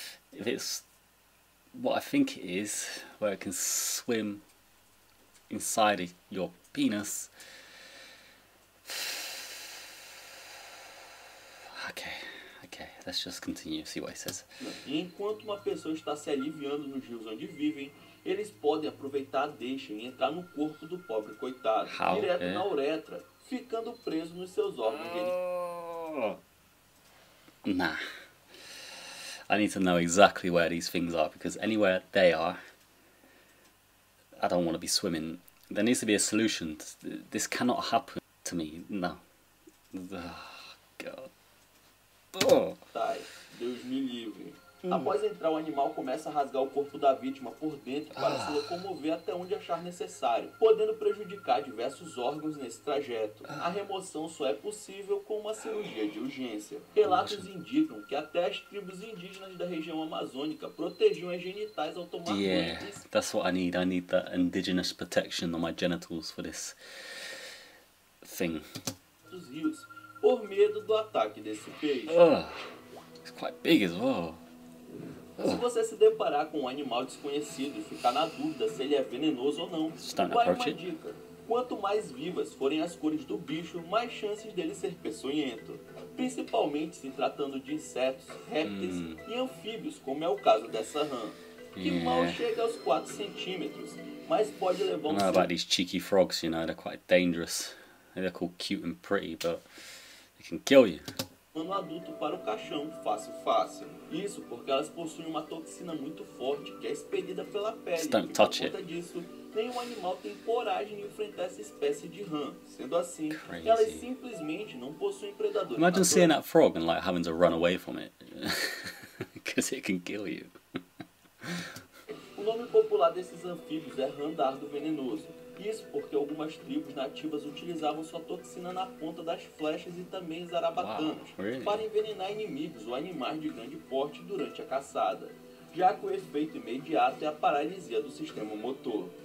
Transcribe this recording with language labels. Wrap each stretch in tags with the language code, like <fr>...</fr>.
<en>If it's what I think it is, where it can swim inside your penis. Okay, let's just continue, see what he says.</en> <pt>Enquanto uma pessoa está se aliviando nos rios onde vivem, eles podem aproveitar a deixa e entrar no corpo do pobre coitado, direto na uretra, ficando preso nos seus órgãos.</pt> <en>I need to know exactly where these things are, because anywhere they are, I don't want to be swimming. There needs to be a solution. This cannot happen to me. No. Oh, God.</en> <pt>Tai, Deus me livre. Após entrar, o animal começa a rasgar o corpo da vítima por dentro para se locomover até onde achar necessário, podendo prejudicar diversos órgãos nesse trajeto. A remoção só é possível com uma cirurgia de urgência. Relatos indicam que até as tribos indígenas da região amazônica protegiam as genitais ao tomar banho.</pt> <en>Yeah, that's what I need the indigenous protection on my genitals for this thing.</en> <pt>Dos rios, por medo do ataque desse peixe.</pt> <en>It's quite big as well.</en> <pt>Se você se deparar com um animal desconhecido e ficar na dúvida se ele é venenoso ou não, vale uma dica. Quanto mais vivas forem as cores do bicho, mais chances dele ser peçonhento. Principalmente se tratando de insetos, répteis e anfíbios, como é o caso dessa rã. Que mal chega aos 4 centímetros, mas pode levar um...</pt> <en>About these cheeky frogs, you know, they're quite dangerous. They're called cute and pretty, but they can kill you.</en> <pt>Um adulto para o caixão, fácil. Isso porque elas possuem uma toxina muito forte que é expelida pela pele.</pt> <en>Don't touch</en> <pt>it. Por conta disso, nenhum animal tem coragem de enfrentar essa espécie de rã. Sendo assim, elas simplesmente não possuem predadores.</pt> <en>Imagine seeing that frog and like having to run away from it, because it can kill you.</en> <pt>O nome popular desses anfíbios é rã dardo venenoso. Isso porque algumas tribos nativas utilizavam sua toxina na ponta das flechas e também zarabatanas para envenenar inimigos ou animais de grande porte durante a caçada, já que o efeito imediato é a paralisia do sistema motor.</pt>